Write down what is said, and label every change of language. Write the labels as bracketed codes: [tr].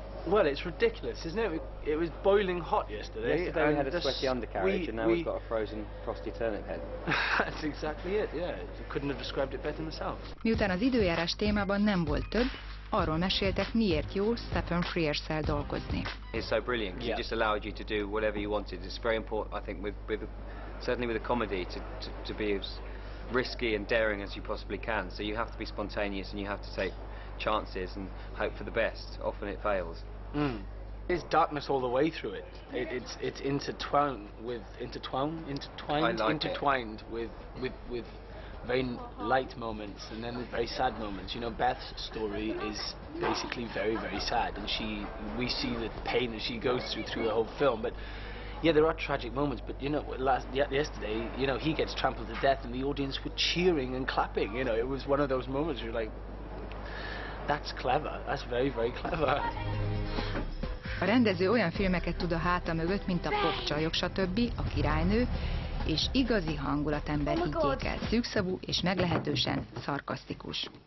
[en] Well, it's ridiculous, isn't it? It was boiling hot yesterday. Yesterday we had a sweaty undercarriage and now we've got a frozen frosty turnip head. That's exactly it, yeah. Couldn't have described it better myself. [hu] Miután az időjárás témában nem volt több, arról meséltek, miért jó Stephen Frears-szel dolgozni. [en] It's so brilliant, because it just allowed you to do whatever you wanted. It's very important, I think, certainly with a comedy, to be as risky and daring as you possibly can. So you have to be spontaneous and you have to take chances and hope for the best. Often it fails. There's darkness all the way through it. It's intertwined with very light moments and then very sad moments. You know, Beth's story is basically very, very sad, and we see the pain that she goes through the whole film. But yeah, there are tragic moments. But you know, yesterday, you know, he gets trampled to death, and the audience were cheering and clapping. You know, it was one of those moments where you're like, that's clever. That's very, very clever. [hu] A rendező olyan filmeket tud a háta mögött, mint a Popcsajok, stb., a Királynő, és igazi hangulatember hitjékkel, szűkszavú és meglehetősen szarkasztikus.